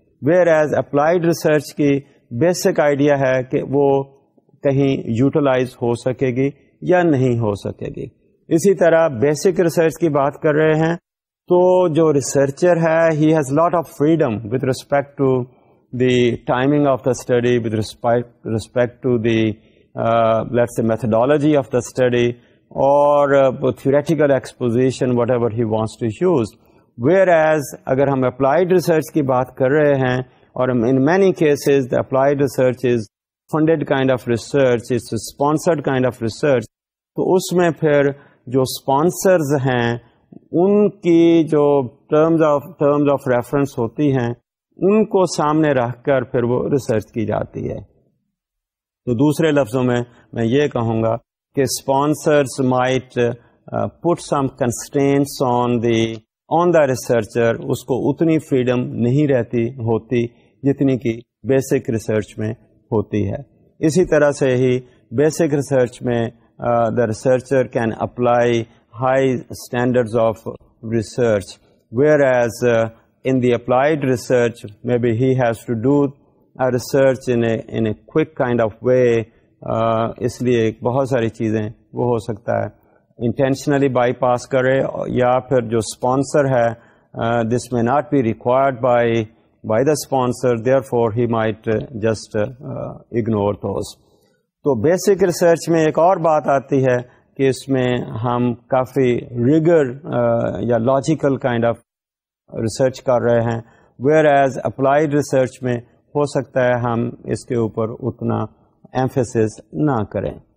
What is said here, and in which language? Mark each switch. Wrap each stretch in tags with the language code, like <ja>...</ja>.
<en>whereas applied research</en> <ur>کی basic idea ہے کہ وہ کہیں یوٹیلائز ہو سکے گی یا نہیں ہو سکے گی. اسی طرح بیسک ریسرچ کی بات کر رہے ہیں تو جو ریسرچر ہے</ur> <en>He has lot of freedom with respect to the timing of the study, with respect to the let's say methodology of the study or theoretical exposition, whatever he wants to use. Whereas,</en> <ur>agar hum applied research ki baat kar rahe hain,</ur> <en>or in many cases, the applied research is funded kind of research,</en> <ur>it's a sponsored kind of research, to us mein phir jo sponsors hain, ان کی جو terms of reference ہوتی ہیں ان کو سامنے رکھ کر پھر وہ ریسرچ کی جاتی ہے. تو دوسرے لفظوں میں میں یہ کہوں گا کہ</ur> <en>sponsors might put some constraints on the researcher,</en> <ur>اس کو اتنی freedom نہیں رہتی ہوتی جتنی کی basic research میں ہوتی ہے. اسی طرح سے ہی</ur> <en>basic research میں the researcher can apply high standards of research, whereas in the applied research, maybe he has to do a research in a quick kind of way.</en> <ur>اس لیے بہت ساری چیزیں وہ ہو سکتا ہے</ur> <en>intentionally bypass کرے, یا پھر جو sponsor ہے this may not be required by the sponsor, therefore he might just ignore those.</en> <ur>تو basic research میں ایک اور بات آتی ہے کہ اس میں ہم کافی ریگر یا لاجیکل کائنڈ آف ریسرچ کر رہے ہیں,</ur> <en>whereas applied research</en> <ur>میں ہو سکتا ہے ہم اس کے اوپر اتنا ایمفیسس نہ کریں.</ur>